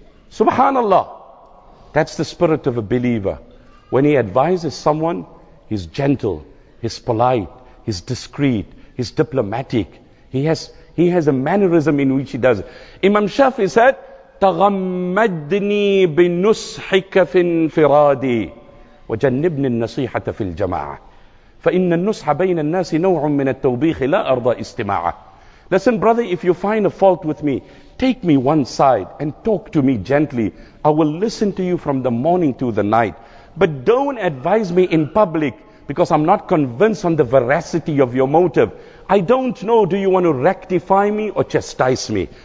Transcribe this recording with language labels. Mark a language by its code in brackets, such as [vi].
[en] Subhanallah. That's the spirit of a believer. When he advises someone, he's gentle, he's polite, he's discreet, he's diplomatic. He has a mannerism in which he does it. Imam Shafi said, [ar] تغمدني بنصحك في انفرادي وجنبني النصيحة في الجماعة فإن النصح بين الناس نوع من التوبيخ لا أرضى استماعه. [en] Listen, brother, if you find a fault with me, take me one side and talk to me gently. I will listen to you from the morning to the night. But don't advise me in public because I'm not convinced on the veracity of your motive. I don't know, do you want to rectify me or chastise me?